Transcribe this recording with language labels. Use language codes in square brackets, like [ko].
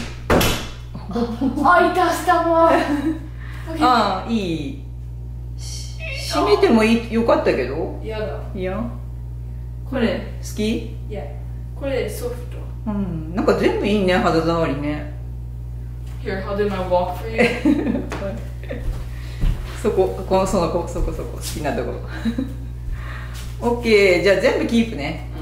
[ja] あ、いた、下も。ああ、いい。締めてもいい、よかったけど。嫌だ。いや、これ好き。いや、これソフト。うん、なんか全部いいね、肌触りね。 [en] Here, how did I walk for you? [ja] そこ、この、その、こ、そこそこ、好きなところ。 OK、じゃあ全部キープね。